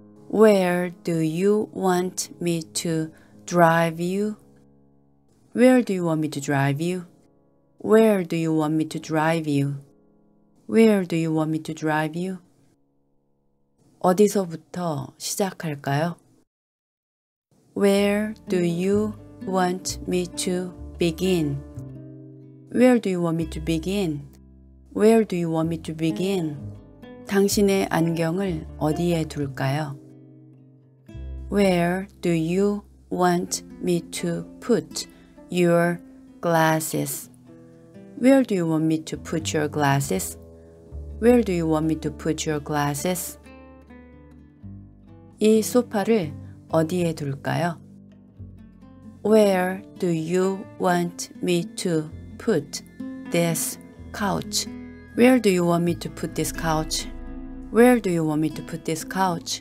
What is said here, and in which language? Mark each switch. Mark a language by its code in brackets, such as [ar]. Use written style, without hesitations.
[en] Where do you want me to drive you? Where do you want me to drive you? Where do you want me to drive you? Where do you want me to drive you? [ko] 어디서부터 시작할까요? [en] Where do you want me to begin? Where do you want me to begin? Where do you want me to begin? [ko] 당신의 안경을 어디에 둘까요? [en] Where do you want me to put your glasses? Where do you want me to put your glasses? Where do you want me to put your glasses? [ko] 이 소파를 어디에 둘까요? [en] Where do you want me to put this couch? Where do you want me to put this couch? Where do you want me to put this couch?